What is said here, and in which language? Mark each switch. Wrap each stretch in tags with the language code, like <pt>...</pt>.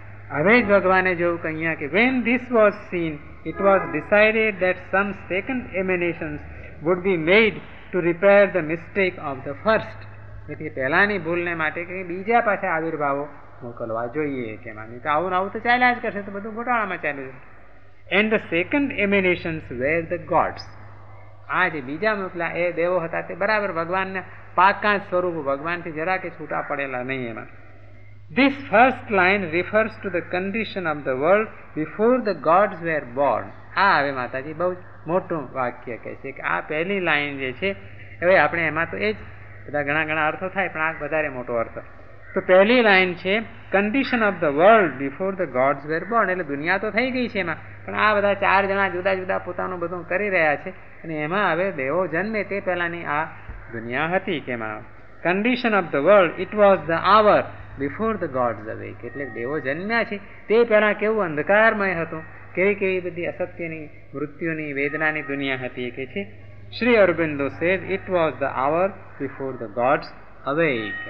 <gu>હવે જ ભગવાને જોયું કે અહીંયા કે</gu> <en>when this was seen it was decided that some second emanations would be made to repair the mistake of the first,</en> <gu>એથી પહેલાંની ભૂલને માટે કે બીજા પાછા આવિર્ભાવો મોકલવા જોઈએ, કે માની કે આવું આવું તો ચાલ્યા જ કરશે, તો બધું ગોટાળામાં ચાલ્યું છે.</gu> <en>and the second emanations were the gods,</en> <gu>આ જે બીજા મોકલા એ દેવો હતા તે બરાબર ભગવાનના પાકા સ્વરૂપ, ભગવાનથી જરા કે છૂટા પડેલા નહીં એમાં.</gu> <en>This first line refers to the condition of the world before the gods were born.</en> <gu>આ હવે માતાજી બહુ મોટું વાક્ય કહે છે કે આ પહેલી લાઈન જે છે, હવે આપણે એમાં તો એ જ બધા ઘણા ઘણા અર્થો થાય, પણ આ વધારે મોટો અર્થ. તો પહેલી લાઈન છે</gu> <en>condition of the world before the gods were born,</en> <gu>એટલે દુનિયા તો થઈ ગઈ છે એમાં, પણ આ બધા ચાર જણા જુદા જુદા પોતાનું બધું કરી રહ્યા છે, અને એમાં હવે દેવો જન્મે તે પહેલાંની આ દુનિયા હતી, કે એમાં</gu> <en>condition of the world it was the hour before the gods awake,</en> <gu>એટલે દેવો જન્મ્યા છે તે પહેલાં કેવું અંધકારમય હતું, કેવી કેવી બધી અસત્યની મૃત્યુની વેદનાની દુનિયા હતી, કે છે Shri Aurobindo</gu> <en>Said it was the hour before the gods awake.</en>